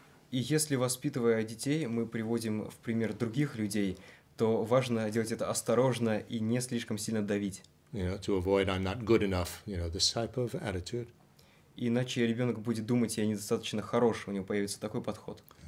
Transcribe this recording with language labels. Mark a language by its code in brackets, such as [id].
[ru] И если, воспитывая детей, мы приводим в пример других людей, то важно делать это осторожно и не слишком сильно давить. [en] You know, to avoid I'm not good enough, you know, this type of attitude. [ru] Иначе ребенок будет думать, я недостаточно хорош, у него появится такой подход.